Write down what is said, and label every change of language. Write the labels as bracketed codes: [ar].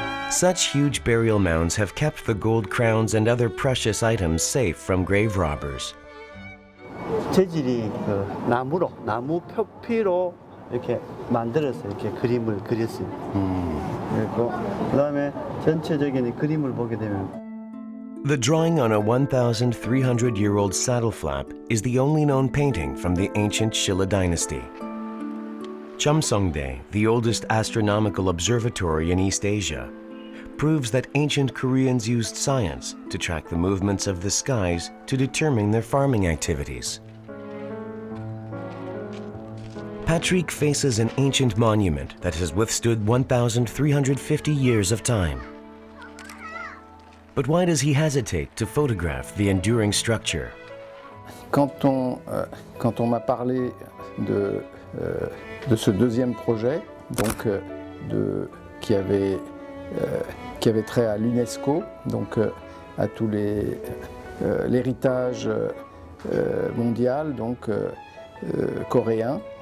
[en] Such huge burial mounds have kept the gold crowns and other precious items safe from grave robbers. [ko] 재질이 그 나무로, 나무 표피로 이렇게 만들어서 이렇게 그림을 그렸어요. 그리고 그다음에 전체적인 그림을 보게 되면 [en] The drawing on a 1,300-year-old saddle flap is the only known painting from the ancient Silla dynasty. Chumsongdae, the oldest astronomical observatory in East Asia, proves that ancient Koreans used science to track the movements of the skies to determine their farming activities. Patrick faces an ancient monument that has withstood 1,350 years of time. But why does he hesitate to photograph the enduring structure? [fr] Quand on m'a parlé de ce deuxième projet, donc de qui avait qui avait trait à l'UNESCO, donc à tous les l'héritage mondial, donc coréen.